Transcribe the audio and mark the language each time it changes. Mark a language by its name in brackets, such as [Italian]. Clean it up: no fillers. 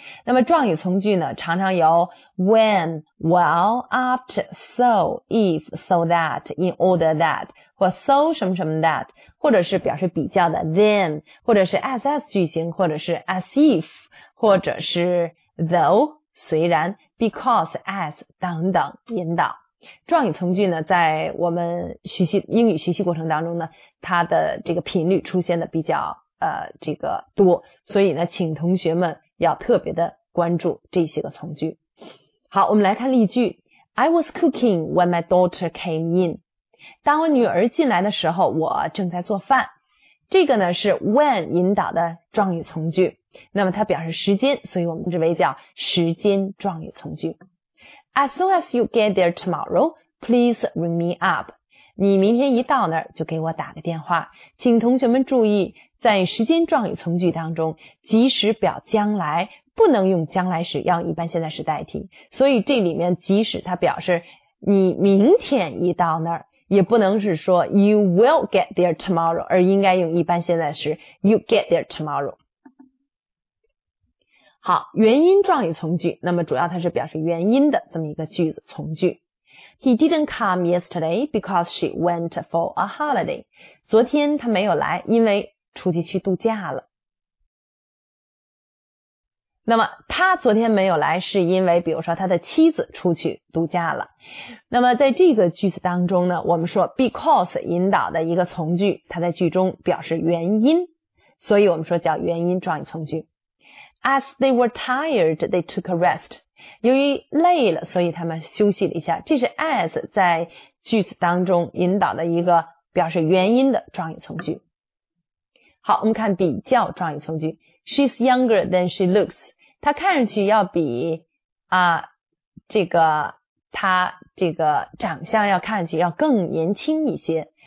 [Chinese] 那么状语从句呢，常常有 when, while, after, so, if, so that, in order that, 或 so 什么什么 that, 或者是表示比较的 then, 或者是 as 句型，或者是 as if, 或者是 though, 虽然 because, as, 等等引导。状语从句呢，在我们学习英语学习过程当中呢，它的这个频率出现的比较这个多，所以呢请同学们要特别的关注这些个从句。好，我们来看例句。 [English] I was cooking when my daughter came in。 [Chinese] 当我女儿进来的时候，我正在做饭。这个呢是 when 引导的状语从句，那么它表示时间，所以我们称之为叫时间状语从句。 [English] As soon as you get there tomorrow, please ring me up. [Chinese] 你明天一到那儿就给我打个电话。请同学们注意，在时间状语从句当中，即时表将来不能用将来时，要一般现在时代替。所以这里面即使它表示你明天一到那儿，也不能是说 [English] you will get there tomorrow, [Chinese] 而应该用一般现在时 [English] you get there tomorrow。 [Chinese] 好，原因状语从句，那么主要它是表示原因的这么一个句子从句。 [English] He didn't come yesterday because she went for a holiday. [Chinese] 昨天他没有来，因为出去去度假了。那么他昨天没有来是因为比如说他的妻子出去度假了。那么在这个句子当中呢，我们说 because 引导的一个从句，它在句中表示原因，所以我们说叫原因状语从句。 [English] As they were tired, they took a rest. [Chinese] 由于累了，所以他们休息了一下。这是 as 在句子当中引导的一个表示原因的状语从句。好，我们看比较状语从句。 [English] She's younger than she looks. [Chinese] 她看上去要比这个她这个长相要看上去要更年轻一些。